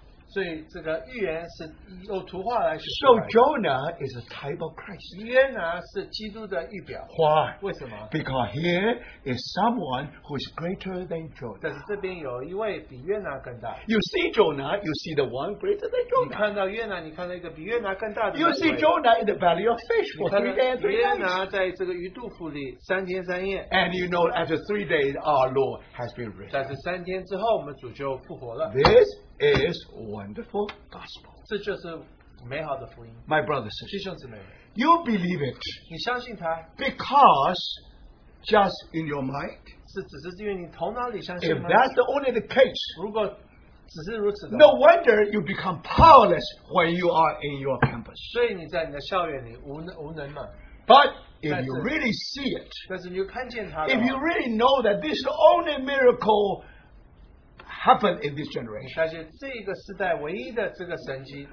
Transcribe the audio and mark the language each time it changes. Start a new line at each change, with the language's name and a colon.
Chinese: 所以这个预言是,
English: so, Jonah is a type of Christ.
Chinese: 约拿是基督的预表,
English: why?
Chinese: 为什么?
English: Because here is someone who is greater than Jonah. You see Jonah, you see the one greater than Jonah.
Chinese: 你看到约拿, 你看到一个比约拿更大的那位,
English: you see Jonah in the valley of fish for 3 days and 3 nights. And you know, after 3 days, our Lord has been risen. This is wonderful gospel. My brothers and sisters, you believe it.
Chinese: 你相信他?
English: Because just in your mind,
Chinese: 是只是因为你头脑里相信吗?
English: If that's the only the case,
Chinese: 如果只是如此的话,
English: no wonder you become powerless when you are in your campus.
Chinese: 所以你在你的校园里无能吗?
English: But if you really see it,
Chinese: 但是你又看见他的话,
English: if you really know that this is the only miracle happened in this generation.